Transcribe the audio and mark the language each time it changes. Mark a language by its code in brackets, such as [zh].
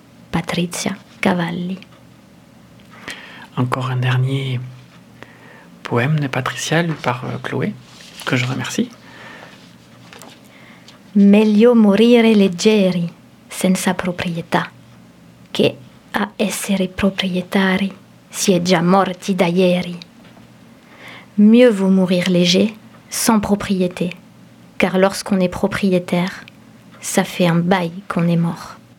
[fr] Patricia Cavalli. Encore un dernier poème de Patricia, lu par Chloé, que je remercie. [it] Meglio morire leggeri, senza proprietà, che a essere proprietari si è già morti da ieri. [fr] Mieux vaut mourir léger, sans propriété, car lorsqu'on est propriétaire, ça fait un bail qu'on est mort.